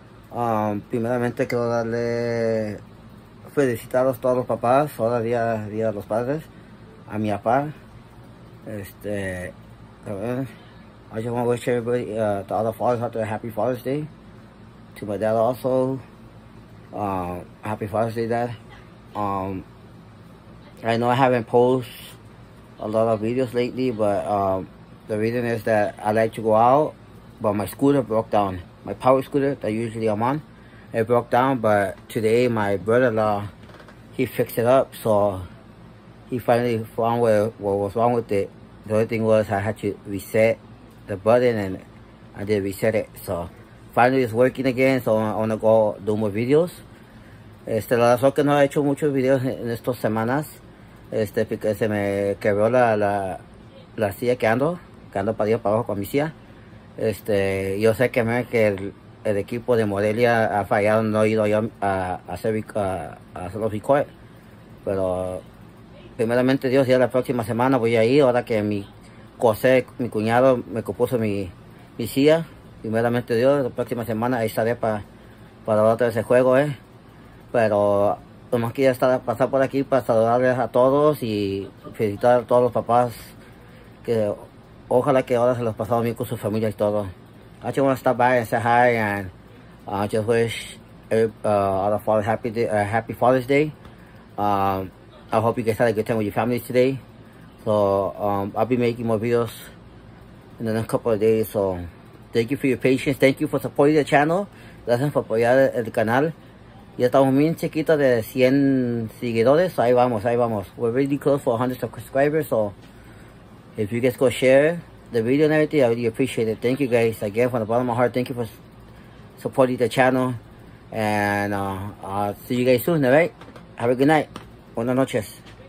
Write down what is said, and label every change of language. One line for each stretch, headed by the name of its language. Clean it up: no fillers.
Spanish: Primeramente, quiero darle felicitaros a todos los papás. Ahora día de los padres. A mi papá.
English: I just want to wish everybody, to all the fathers out there, Happy Father's Day. To my dad also. Happy Father's Day, Dad. I know I haven't posted a lot of videos lately, but the reason is that I like to go out, but my scooter broke down. My power scooter that usually I'm on, it broke down, but today my brother-in-law, he fixed it up, so he finally found what was wrong with it. The only thing was I had to reset the button, and I did reset it, so finally it's working again, so I want to go do more videos.
Spanish: La razón que no he hecho muchos videos en estas semanas, porque se me quebró la silla que ando para arriba para abajo con mi silla. Yo sé que el equipo de Morelia ha fallado, no he ido yo a hacer los recordes. Pero primeramente Dios, ya la próxima semana voy a ir, ahora que mi cuñado me compuso mi silla. Primeramente Dios, la próxima semana ahí estaré para otro de ese juego, Pero nomás quería pasar por aquí para saludarles a todos y felicitar a todos los papás, que ojalá que ahora se los pasaron bien con su familia y todo.
English: I just want to stop by and say hi, and I just wish all the fathers happy Father's Day. I hope you guys had a good time with your families today. So I'll be making more videos in the next couple of days. So thank you for your patience. Thank you for supporting the channel.
Spanish: Gracias por apoyar el canal. Ya estamos bien chiquitos de 100 seguidores, so ahí vamos.
English: We're really close for 100 subscribers, so if you guys go share the video and everything, I really appreciate it. Thank you guys, again, from the bottom of my heart. Thank you for supporting the channel, and I'll see you guys soon, all right? Have a good night.
Spanish: Buenas noches.